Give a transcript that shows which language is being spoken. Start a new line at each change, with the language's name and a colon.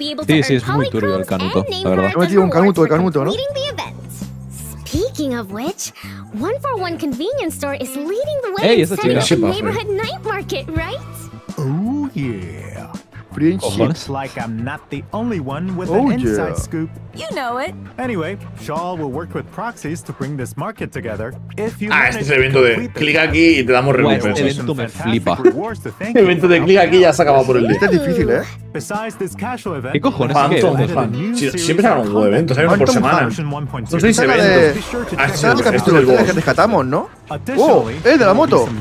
Spanish: Sí, sí, es muy turbio el canuto, la verdad. He metido un canuto de canuto, ¿no?
English: Speaking of which, One for One Convenience Store is leading the way in setting up the neighborhood night market, right? Oh, yeah. Friendships. Like I'm not the only one with an inside scoop. You know it. Anyway, Shaw will work with proxies to bring this market together. If you want to
Spanish: evento de clic aquí y te damos recompensas. Este evento me flipa. Evento de clic aquí ya se acaba por el día. Este es difícil, ¿eh?
English: Besides this casual event.
Spanish: ¿Qué cojones es esto? Siempre hago un evento, ¿sabes? Por semana. No sé si se vende. Esto es el boss. Rescatamos, ¿no? ¡Oh! ¡Eh, de la moto!